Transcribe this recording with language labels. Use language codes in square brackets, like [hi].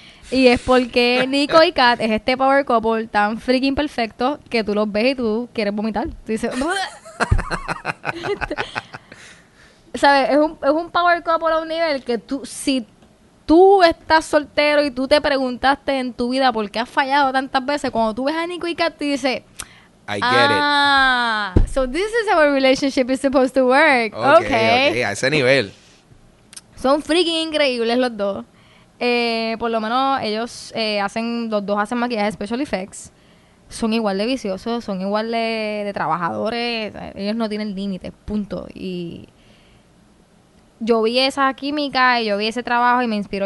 [es] Y es porque Nico y Kat es este power couple tan freaking perfecto que tú los ves y tú quieres vomitar. Tú dices... ¿Sabes? Es un power couple a un nivel que tú... Si tú estás soltero y tú te preguntaste en tu vida por qué has fallado tantas veces. Cuando tú ves a Nico y Kat, te dices, [en] I get it. So this is how a relationship is supposed to work. Okay, [es] a ese nivel. Son freaking increíbles los dos. Por lo menos ellos hacen maquillaje special effects. Son igual de viciosos, son igual de trabajadores. Ellos no tienen límites, punto. Y... yo vi esa química y yo vi ese trabajo y me inspiró.